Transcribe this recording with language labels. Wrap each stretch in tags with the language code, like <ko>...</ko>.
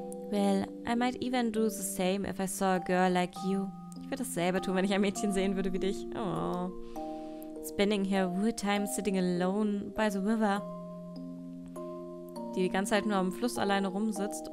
<en>Well, I might even do the same if I saw a girl like you.</en> <de>Ich würde dasselbe tun, wenn ich ein Mädchen sehen würde wie dich. Oh.</de> <en>Spending her whole time sitting alone by the river.</en> <de>Die ganze Zeit nur am Fluss alleine rumsitzt.</de>